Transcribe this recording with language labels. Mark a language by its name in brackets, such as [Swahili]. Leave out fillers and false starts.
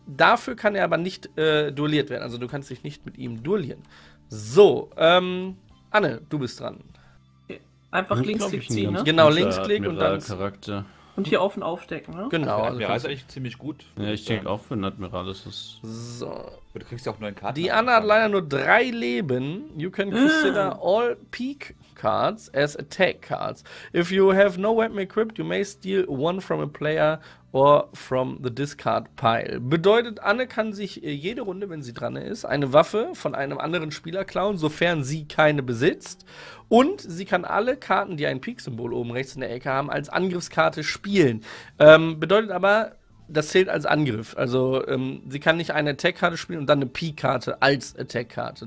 [German] Dafür kann er aber nicht duelliert werden. Also du kannst dich nicht mit ihm duellieren. So, Anne, du bist dran. Okay. Einfach Linksklick ziehen, ne? Genau, Linksklick und dann... Charakter. Und hier offen aufdecken, ne? Genau. Also Admiral ist eigentlich ziemlich gut. Ja, ich denke auch für den Admiral, das ist... So. Du kriegst ja auch 9 Karten. Die Anne hat leider nur 3 Leben. [English] You can consider all Peak Cards as Attack Cards. If you have no weapon equipped, you may steal one from a player or from the discard pile. [German] Bedeutet, Anne kann sich jede Runde, wenn sie dran ist, eine Waffe von einem anderen Spieler klauen, sofern sie keine besitzt. Und sie kann alle Karten, die ein Peak-Symbol oben rechts in der Ecke haben, als Angriffskarte spielen. Bedeutet aber, das zählt als Angriff. Also sie kann nicht eine Attack-Karte spielen und dann eine Peak-Karte als Attack-Karte.